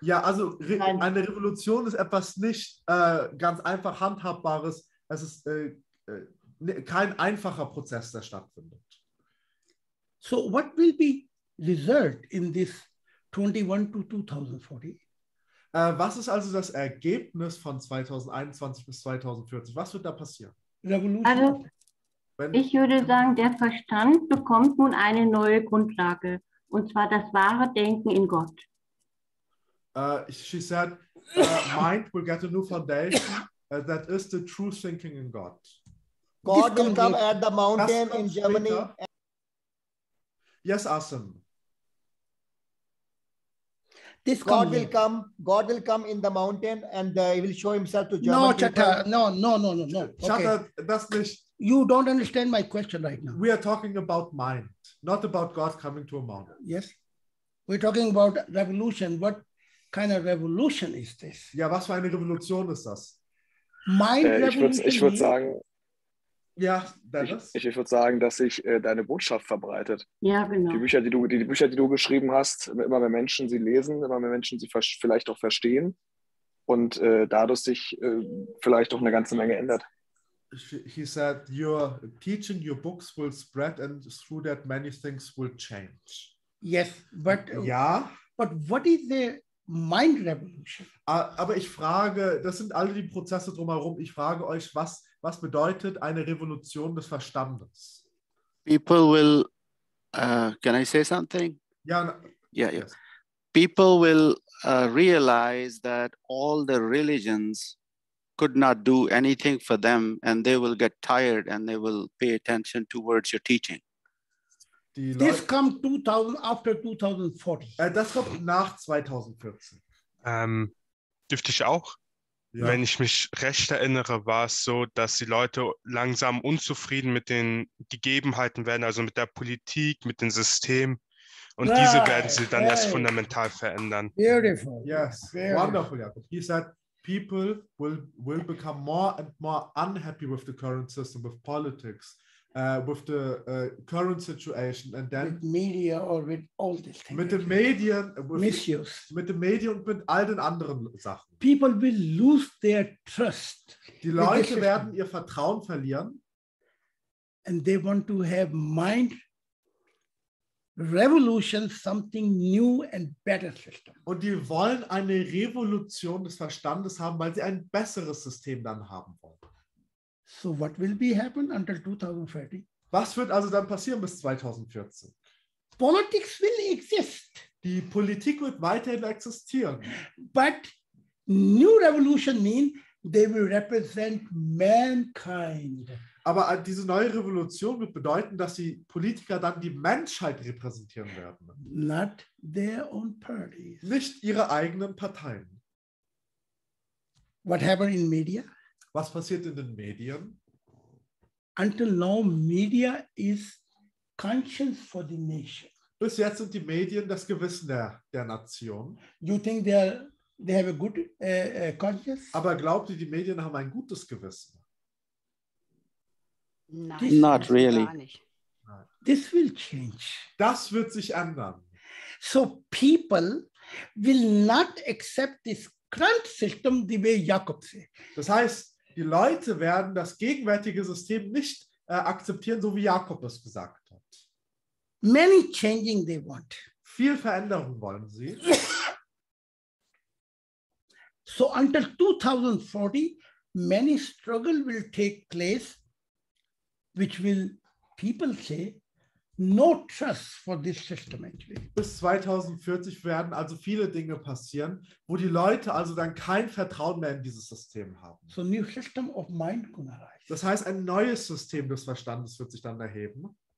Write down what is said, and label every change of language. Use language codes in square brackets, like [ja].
[de] Ja, also eine Revolution ist etwas nicht ganz einfach handhabbares. Es ist kein einfacher Prozess, der stattfindet. [en] So what will be result in this 21 to 2040? [de] Was ist also das Ergebnis von 2021 bis 2040? Was wird da passieren? [en] Revolution. [de] Also, ich würde sagen, der Verstand bekommt nun eine neue Grundlage, und zwar das wahre Denken in Gott. [en] She said, mind will get a new foundation, that is the true thinking in God. God will come at the mountain in Germany. Yes, Asim. This God will come. God will come in the mountain and he will show himself to Germany. No, Chata. No. Chata, okay. That's nicht. You don't understand my question right now. We are talking about mind, not about God coming to a mountain. Yes. We're talking about revolution. What kind of revolution is this? [de] Ja, was für eine Revolution ist das? [en] Mind revolution. [de] Ich würde sagen. Ja, Dennis. Ich würde sagen, dass sich deine Botschaft verbreitet. Ja, genau. Die Bücher, die du geschrieben hast, immer mehr Menschen sie lesen, immer mehr Menschen sie vielleicht auch verstehen und dadurch sich vielleicht auch eine ganze Menge ändert. [en] He said, your teaching, your books will spread and through that many things will change. Yes, but [de] ja. [en] But what is the mind revolution? [de] Aber ich frage, das sind alle die Prozesse drumherum. Ich frage euch, was bedeutet eine Revolution des Verstandes? [en] People will, can I say something? [de] Ja. [en] Yeah. People will realize that all the religions could not do anything for them and they will get tired and they will pay attention towards your teaching. This come 2000 after 2040. [de] Das kommt nach 2014. Dürfte ich auch? Ja. Wenn ich mich recht erinnere, war es so, dass die Leute langsam unzufrieden mit den Gegebenheiten werden, also mit der Politik, mit dem System. Und right. Diese werden sie dann erst fundamental verändern. [en] Beautiful. Yes, beautiful. Wonderful, Jakob. He said, people will become more and more unhappy with the current system, with politics, with the current situation. And then with media or with all these things. [de] Mit den Medien. [en] Misuse. [de] Mit den Medien und mit all den anderen Sachen. [en] People will lose their trust. [de] Die Leute werden ihr Vertrauen verlieren. [en] And they want to have mind revolution, something new and better system. [de] Und die wollen eine Revolution des Verstandes haben, weil sie ein besseres System dann haben wollen. [en] So what will be happen until 2030? [de] Was wird also dann passieren bis 2014? [en] Politics will exist. [de] Die Politik wird weiterhin existieren. [en] But new revolution means they will represent mankind. [de] Aber diese neue Revolution wird bedeuten, dass die Politiker dann die Menschheit repräsentieren werden. [en] Not their own parties. [de] Nicht ihre eigenen Parteien. [en] What happened in media? [de] Was passiert in den Medien? [en] Until now, media is conscience for the nation. [de] Bis jetzt sind die Medien das Gewissen der Nation. [en] You think they have a good conscience? [de] Aber glaubt ihr, die Medien haben ein gutes Gewissen? [en] Nein, not really. This will change. [de] Das wird sich ändern. [en] So people will not accept this current system the way Jakob said. [de] Das heißt, die Leute werden das gegenwärtige System nicht akzeptieren, so wie Jakob es gesagt hat. [en] Many changing they want. [de] Viel Veränderung wollen sie. [en] So until 2040, many struggle will take place, which will people say, no trust for this system actually. [de] Bis 2040 werden also viele Dinge passieren, wo die Leute also dann kein Vertrauen mehr in dieses System haben. [en] So new system of mind can arise. [de] Das heißt, ein neues System des Verstandes wird sich dann erheben.